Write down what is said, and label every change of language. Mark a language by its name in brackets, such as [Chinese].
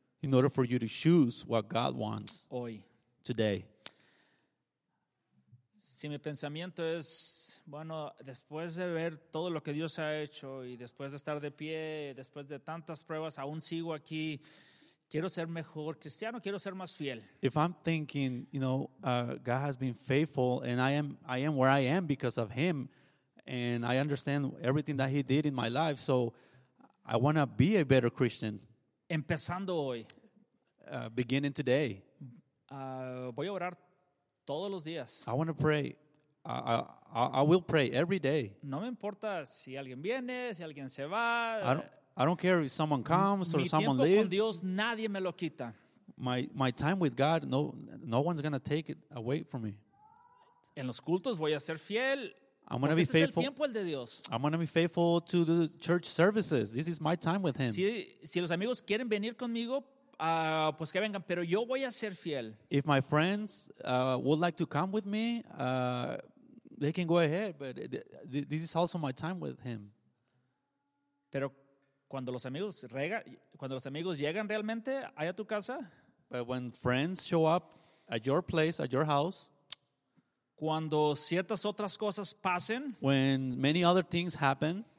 [English] In order for you to choose what God wants. [Spanish] Hoy. [English] Today. [Spanish] Si mi pensamiento es, bueno, después de ver todo lo que Dios ha hecho y después de estar de pie, después de tantas pruebas, aún sigo aquí. Quiero ser mejor cristiano, quiero ser más fiel. [English] If I'm thinking, you know, God has been faithful and I am where I am because of him and I understand everything that he did in my life, so I want to be a better Christian. [Spanish] Empezando hoy. [English] Beginning today. [Spanish] Voy a orar todos los días. [English] I want to pray. I will pray every day. [Spanish] No me importa si alguien viene, si alguien se va. [English] I don't care if someone comes or someone leaves. [Spanish] Mi tiempo con Dios nadie me lo quita. [English] My time with God, no one's going to take it away from me. [Spanish] En los cultos voy a ser fiel. [English] I'm going to be faithful. [Spanish] Es el tiempo el de Dios. [English] I'm going to be faithful to the church services. This is my time with him. [Spanish] Si los amigos quieren venir conmigo, pues que vengan, pero yo voy a ser fiel. [English] If my friends would like to come with me, they can go ahead, but this is also my time with him. [Spanish] Pero cuando los amigos llegan realmente allá a tu casa, [English] but when friends show up at your place, at your house, [Spanish] Cuando ciertas otras cosas pasen, [English] when many other things happen,